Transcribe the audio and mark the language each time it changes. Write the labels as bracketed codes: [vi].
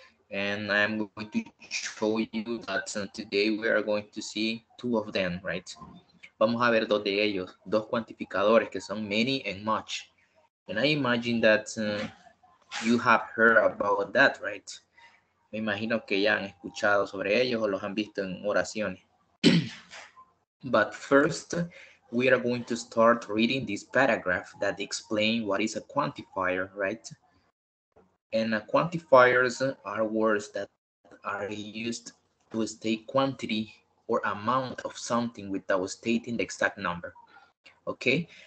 [en] And I'm going to show you that today we are going to see 2 of them, right? [es] Vamos a ver 2 de ellos. 2 cuantificadores que son many and much. [en] And I imagine that you have heard about that, right? [es] Me imagino que ya han escuchado sobre ellos o los han visto en oraciones. [en] But first, we are going to start reading this paragraph that explains what is a quantifier, right? And quantifiers are words that are used to state quantity or amount of something without stating the exact number. Okay?